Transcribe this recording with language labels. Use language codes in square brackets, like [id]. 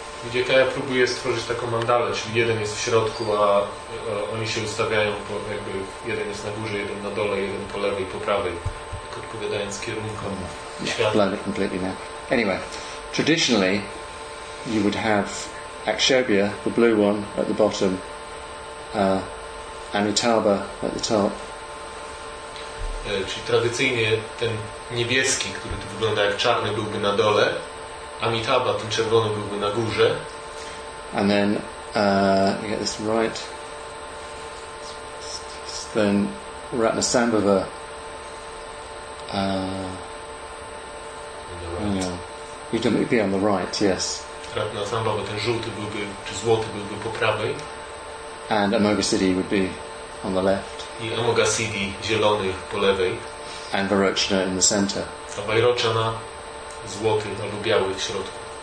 [pl] Gdzie ja próbuję stworzyć taką mandalę, czyli jeden jest w środku, a oni się ustawiają, bo jakby jeden jest na górze, jeden na dole, jeden po lewej, po prawej, tak odpowiadając kierunkom świata. [en] Blend it completely now. Anyway, traditionally, you would have Akshobhya, the blue one, at the bottom, Amitabha at the top. [pl] Czyli tradycyjnie ten niebieski, który tu wygląda jak czarny, byłby na dole, Amitabha, ten czerwony, byłby na górze. [en] And then let me get this right. Then Ratnasambhava. On the right. You'd be on the right, yes. [pl] Ratnasambhava, ten żółty byłby, czy złoty byłby po prawej. [en] And Amoga City would be on the left. [pl] I Amoga City, zielony, po lewej. [en] And Vairochana in the center. [pl] A Vairochana, złoty albo biały w środku.